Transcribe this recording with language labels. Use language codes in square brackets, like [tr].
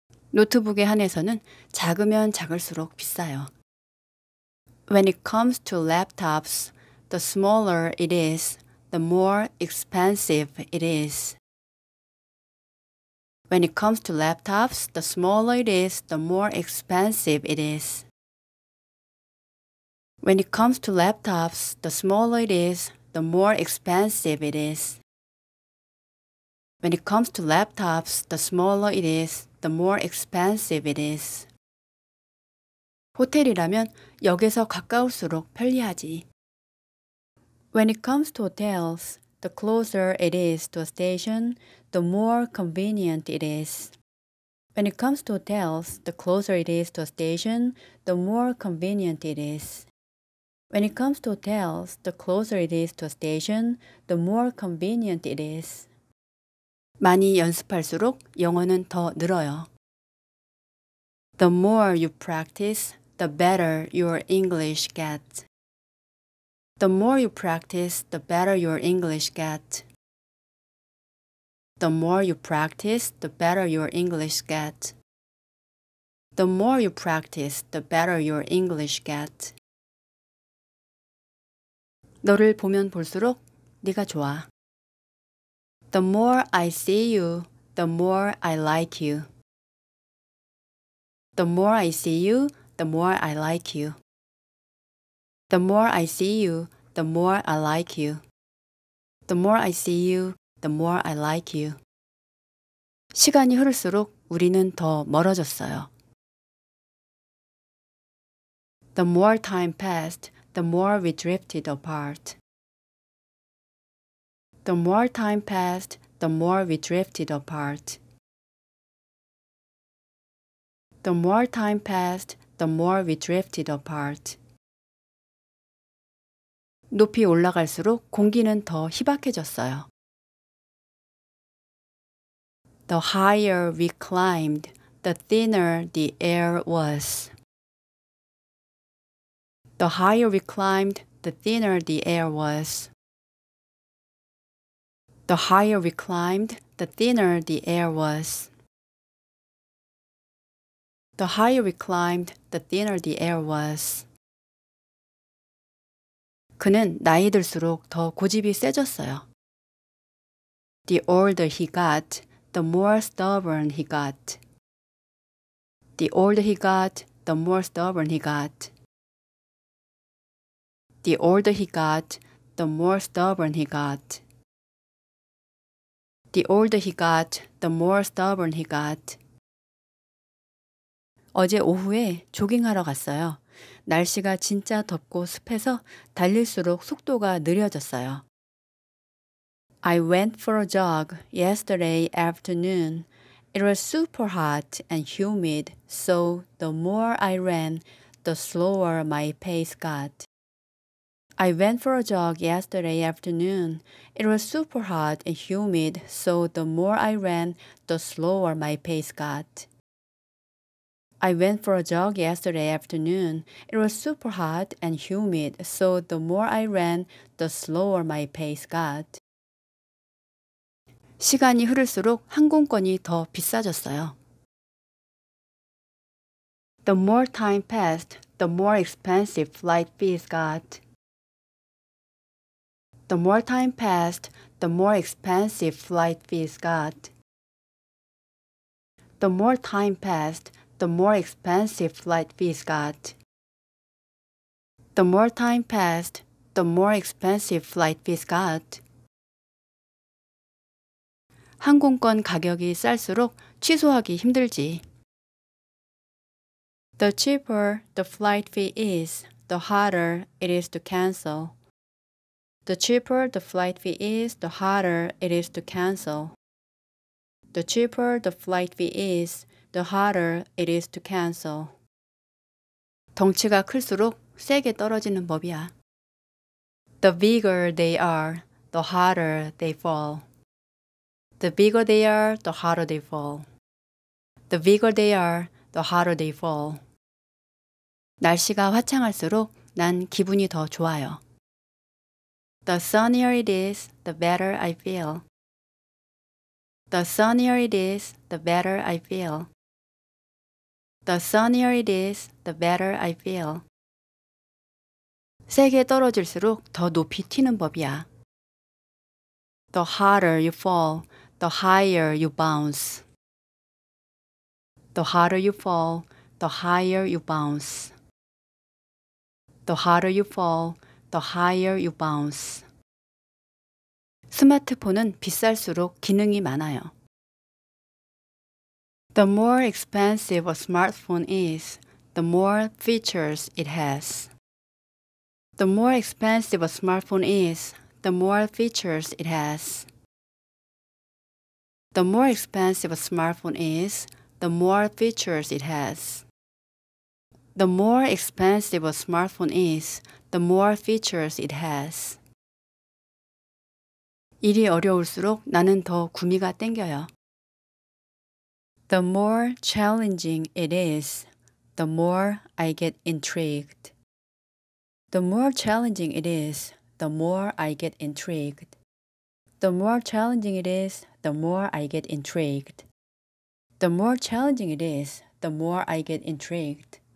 [ko] 노트북에 한해서는 작으면 작을수록 비싸요. [en] When it comes to laptops, the smaller it is, the more expensive it is. When it comes to laptops, the smaller it is, the more expensive it is. When it comes to laptops, the smaller it is, the more expensive it is. When it comes to laptops, the smaller it is, the more expensive it is. [ko] 호텔이라면 역에서 가까울수록 편리하지. [en] When it comes to hotels, the closer it is to a station, the more convenient it is. When it comes to hotels, the closer it is to a station, the more convenient it is. When it comes to hotels, the closer it is to a station, the more convenient it is. [ko] 많이 연습할수록 영어는 더 늘어요. [en] The more you practice, the better your English gets. The more you practice, the better your English gets. The more you practice, the better your English gets. The more you practice, the better your English gets. [ko] 너를 보면 볼수록 네가 좋아. [en] The more I see you, the more I like you. The more I see you, the more I like you. The more I see you, the more I like you. The more I see you, the more I like you. [ko] 시간이 흐를수록 우리는 더 멀어졌어요. [en] The more time passed, the more we drifted apart. The more time passed, the more we drifted apart. The more time passed, the more we drifted apart. [ko] 높이 올라갈수록 공기는 더 희박해졌어요. [en] The higher we climbed, the thinner the air was. The higher we climbed, the thinner the air was. The higher we climbed, the thinner the air was. The higher we climbed, the thinner the air was. [ko] 그는 나이 들수록 더 고집이 세졌어요. [en] The older he got, the more stubborn he got. The older he got, the more stubborn he got. The older he got, the more stubborn he got. The older he got, the more stubborn he got. [ko] 어제 오후에 조깅하러 갔어요. 날씨가 진짜 덥고 습해서 달릴수록 속도가 느려졌어요. [en] I went for a jog yesterday afternoon. It was super hot and humid, so the more I ran, the slower my pace got. I went for a jog yesterday afternoon. It was super hot and humid, so the more I ran, the slower my pace got. I went for a jog yesterday afternoon. It was super hot and humid, so the more I ran, the slower my pace got. [ko] 시간이 흐를수록 항공권이 더 비싸졌어요. [en] The more time passed, the more expensive flight fees got. The more time passed, the more expensive flight fees got. The more time passed, the more expensive flight fees got. The more time passed, the more expensive flight fees got. [ko] 항공권 가격이 쌀수록 취소하기 힘들지. [en] The cheaper the flight fee is, the harder it is to cancel. The cheaper the flight fee is, the harder it is to cancel. The cheaper the flight fee is, the harder it is to cancel. [ko] 덩치가 클수록 세게 떨어지는 법이야. [en] The bigger they are, the harder they fall. The bigger they are, the harder they fall. The bigger they are, the harder they fall. [ko] 날씨가 화창할수록 난 기분이 더 좋아요. [en] The sunnier it is, the better I feel. The sunnier it is, the better I feel. The sunnier it is, the better I feel. [ko] 세게 떨어질수록 더 높이 튀는 법이야. [en] The harder you fall, the higher you bounce. The harder you fall, the higher you bounce. The harder you fall, the higher you bounce. [ko] 스마트폰은 비쌀수록 기능이 많아요. [en] The more expensive a smartphone is, the more features it has. The more expensive a smartphone is, the more features it has. The more expensive a smartphone is, the more features it has. The more expensive a smartphone is, the more features it has. [ko] 일이 어려울수록 나는 더 구미가 땡겨요. [en] The more challenging it is, the more I get intrigued. The more challenging it is, the more I get intrigued. The more challenging it is, the more I get intrigued. The more challenging it is, the more I get intrigued.